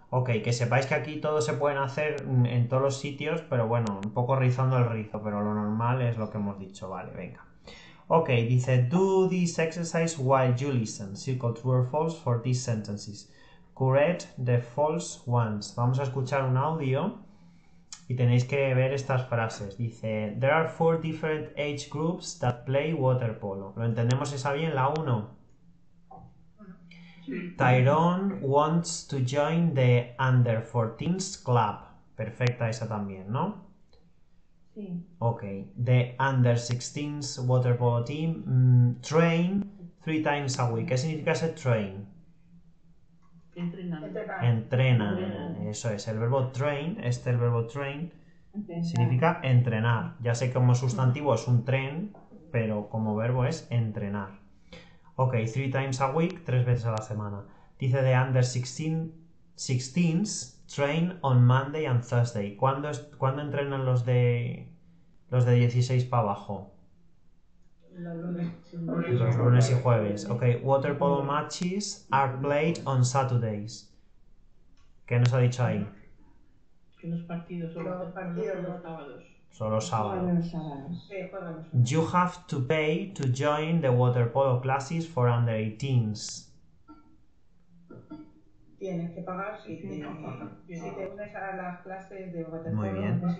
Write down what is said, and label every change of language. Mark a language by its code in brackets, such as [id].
[es] Ok, que sepáis que aquí todo se pueden hacer en todos los sitios, pero bueno, un poco rizando el rizo, pero lo normal es lo que hemos dicho, vale, venga. [en] Ok, [es] dice, [en] do this exercise while you listen. Circle true or false for these sentences. Correct the false ones. [es] Vamos a escuchar un audio y tenéis que ver estas frases. Dice, [en] there are four different age groups that play water polo. [es] ¿Lo entendemos esa bien? La 1. [en] Tyrone wants to join the under 14s club. [es] Perfecta esa también, ¿no? Sí. [en] Ok, the under 16s water polo team train 3 times a week. [es] ¿Qué significa ese train? Entrenan. Eso es, el verbo train, significa entrenar. Ya sé que como sustantivo es un tren, pero como verbo es entrenar. Ok, [en] 3 times a week, [es] 3 veces a la semana. Dice [en] the under 16s train on Monday and Thursday. [es] ¿Cuándo entrenan los de 16 para abajo? Los lunes y jueves. Ok, [en] water polo matches are played on Saturdays. [es] ¿Qué nos ha dicho ahí? Que los partidos son los sábados. Solo sábados. [en] You have to pay to join the water polo classes for under 18s. [es] Tienes que pagar si te unes a las clases de waterpolo.